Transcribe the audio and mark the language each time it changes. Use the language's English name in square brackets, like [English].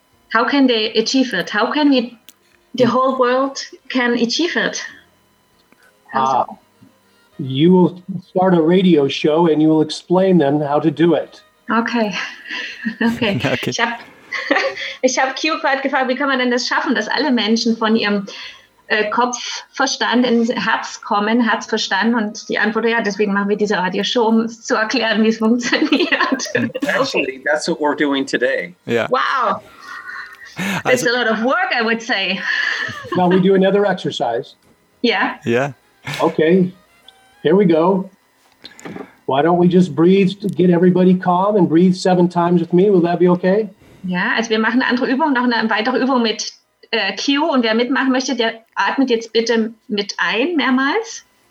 [English] How can they achieve it? How can we, the whole world can achieve it? You will start a radio show and you will explain them how to do it. Okay. Okay. [German] Ich hab Q gerade gefragt, wie kann man denn das schaffen, dass alle Menschen von ihrem Kopfverstand ins Herz kommen, Herzverstand? Und die Antwort, ja, deswegen machen wir diese Radioshow, um es zu erklären, wie es funktioniert. [English] Actually, that's what we're doing today. Yeah. Wow. That's also a lot of work, I would say. Now we do another exercise. Yeah. Yeah. Okay. Here we go. Why don't we just breathe to get everybody calm and breathe 7 times with me? Will that be okay? [German] Ja, also wir machen eine andere Übung, noch eine weitere Übung mit Q. Und wer mitmachen möchte, der atmet jetzt bitte mit ein, mehrmals.